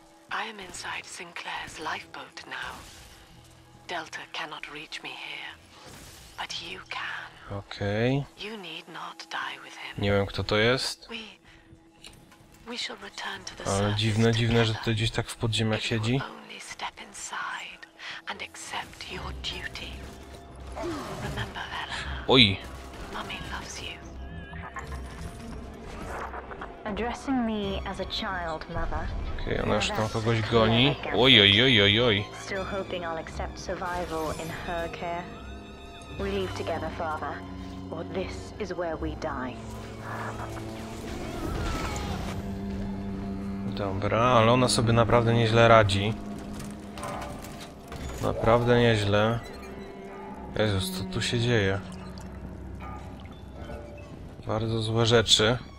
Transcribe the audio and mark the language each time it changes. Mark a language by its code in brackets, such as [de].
[en] I am inside Sinclair's lifeboat now. Delta cannot reach me here. But you can. Okay. You need not die with him. [pl] Nie wiem, kto to jest. [en] We shall return to the surface. [pl] Ale dziwne, że to gdzieś tak w podziemiach siedzi. [en] Only step inside and accept your duty. Remember, Eleanor. Oj. Mommy loves you. Addressing me as a child, mother. [pl] Okej, ona już tam kogoś goni. Oj. [en] Still hoping I'll accept survival in her care. We leave together, father, or this is where we die. [pl] Dobra, ale ona sobie naprawdę nieźle radzi. Naprawdę nieźle. Jezus, co tu się dzieje? Bardzo złe rzeczy.